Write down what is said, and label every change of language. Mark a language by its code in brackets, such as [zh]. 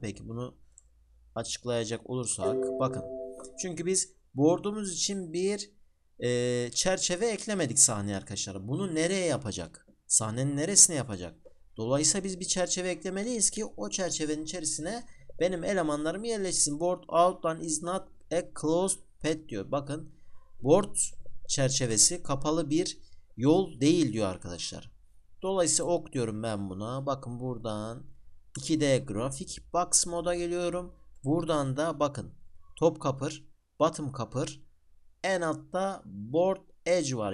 [tr] Peki bunu açıklayacak olursak bakın. Çünkü biz board'umuz için bir çerçeve eklemedik sahneye arkadaşlar. Bunu nereye yapacak? Sahnenin neresine yapacak? Dolayısıyla biz bir çerçeve eklemeliyiz ki o çerçevenin içerisine benim elemanlarımı yerleşsin. [en] Board outline is not a closed path [tr] diyor. Bakın board çerçevesi kapalı bir yol değil diyor arkadaşlar. Dolayısıyla ok diyorum ben buna. Bakın buradan 2D grafik box moda geliyorum. Buradan da bakın top kapır, bottom kapır, en altta board edge var.